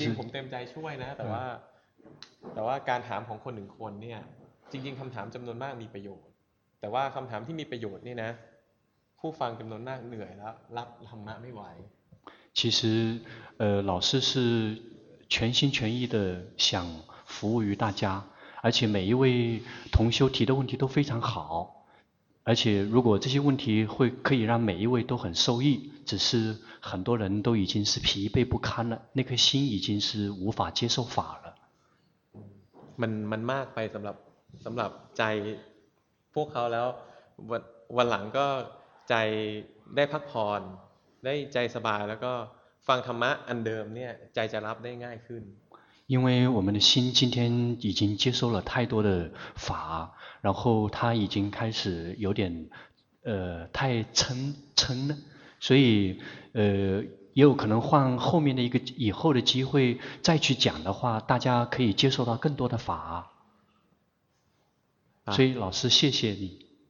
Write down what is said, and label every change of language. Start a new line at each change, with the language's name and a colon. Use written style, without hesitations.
Thai: จริงๆผมเต็มใจช่วยนะแต่ว่าการถามของคนหนึ่งคนเนี่ยจริงๆคำถามจำนวนมากมีประโยชน์แต่ว่าคำถามที่มีประโยชน์เนี่ยนะผู้ฟังจำนวนมากเหนื่อยแล้วรับธรรมะไม่ไหว
Chinese: 其实老师是全心全意的想服务于大家而且每一位同修提的问题都非常好而且如果这些问题会可以让每一位都很受益只是很多人都已经是疲惫不堪了那颗心已经是无法接受法了
Thai: มันมากไปสำหรับใจพวกเขาแล้ววันหลังก็ใจได้พักผ่อนได้ใจสบายแล้วก็ฟังธรรมะอันเดิมเนี่ยใจจะรับได้ง่ายขึ้น
Chinese: 因为我们的心今天已经接受了太多的法然后他已经开始有点太嗔了所以也有可能换后面的一个以后的机会再去讲的话大家可以接受到更多的法所以老师谢谢你、嗯